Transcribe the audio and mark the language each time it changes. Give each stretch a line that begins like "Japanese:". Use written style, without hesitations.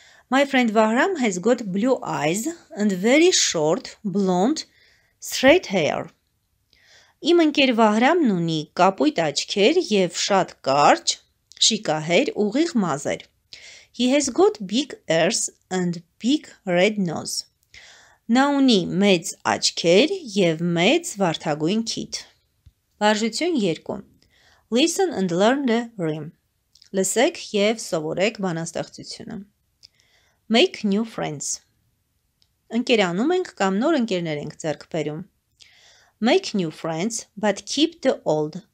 English: My friend Vahram has got blue eyes and very short blonde straight hair.
Armenian: Իմ ընկեր Վահրամն ունի կապույտ աչքեր և շատ կարճ, շիկահեր, ուղիղ մազեր.
English: He has got big ears and big red nose.
Armenian: Նա ունի մեծ աչքեր և մեծ վարդագույն քիթ. Վարժություն 2.
English: Listen and learn the rhyme.
Armenian: Լսեք և սովորեք բանաստեղծությունը.
English: Make new friends.
Armenian: Ընկերանում ենք կամ նոր ընկերներ ենք ձեռք բերում.
English: Make new friends, but keep the old.